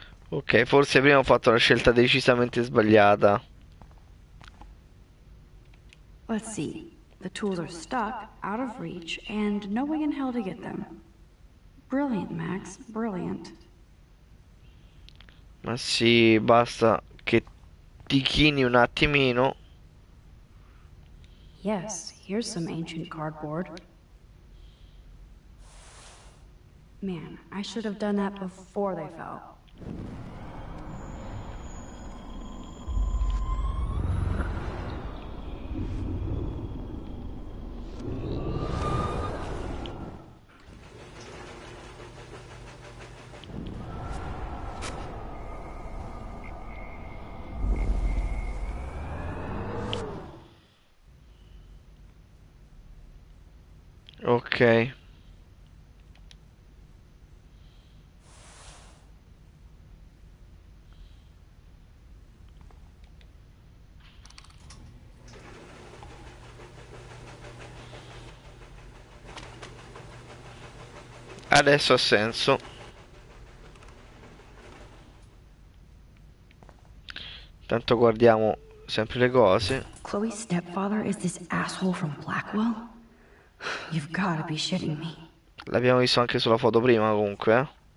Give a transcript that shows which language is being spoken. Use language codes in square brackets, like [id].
[it] Ok, forse prima ho fatto una scelta decisamente sbagliata. [en] Let's see. The tools are stuck, out of reach, and no way in hell to get them. Brilliant, Max. Brilliant. [it] Ma sì, basta che ti chini un attimino. [en] Yes, here's some ancient cardboard. Man, I should have done that before they fell. Ok. [it] Adesso ha senso. Tanto guardiamo sempre le cose. [en] Chloe's stepfather is this asshole from Blackwell? You've gotta be shitting me. [it] L'abbiamo visto anche sulla foto prima, comunque.